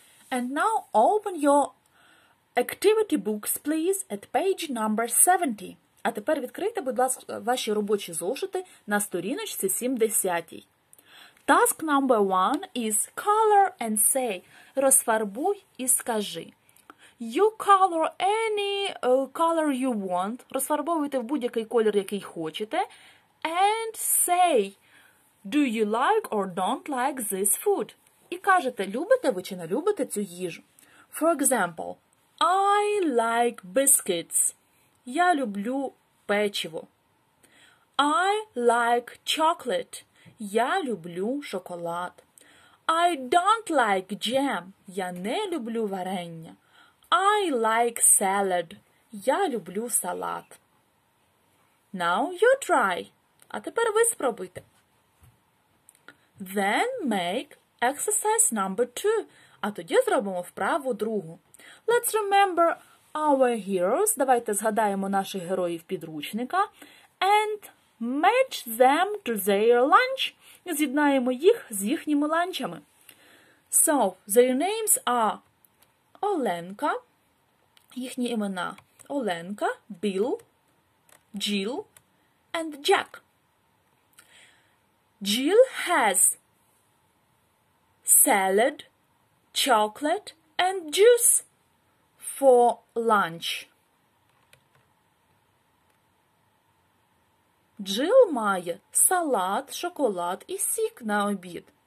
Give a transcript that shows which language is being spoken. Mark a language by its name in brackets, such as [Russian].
[English] And now open your activity books, please, at page number 70. [Ukrainian] А тепер відкрийте, будь ласка, ваші робочі зошити на сторіночці 70-й. [English] Task number 1 is color and say. [Ukrainian] Розфарбуй і скажи. [English] You color any color you want. [Ukrainian] Розфарбовуйте в будь-який колір, який хочете. [English] And say, do you like or don't like this food? [Ukrainian] І кажете, любите ви чи не любите цю їжу. [English] For example, I like biscuits. [Ukrainian] Я люблю печиво. [English] I like chocolate. [Ukrainian] Я люблю шоколад. [English] I don't like jam. [Ukrainian] Я не люблю варення. [English] I like salad. [Ukrainian] Я люблю салат. [English] Now you try. [Ukrainian] А тепер ви спробуйте. [English] Then make exercise number 2. [Ukrainian] А тоді зробимо вправу другу. [English] Let's remember our heroes. [Ukrainian] Давайте згадаємо наших героїв підручника. [English] And match them to their lunch. [Ukrainian] З'єднаємо їх з їхніми ланчами. [English] So, their names are Оленка. [Ukrainian] Їхні імена Оленка, Біл, Джіл and Джек. [English] Джіл has salad, chocolate and juice for lunch. [Ukrainian] Джіл має салат, шоколад і сік на обід.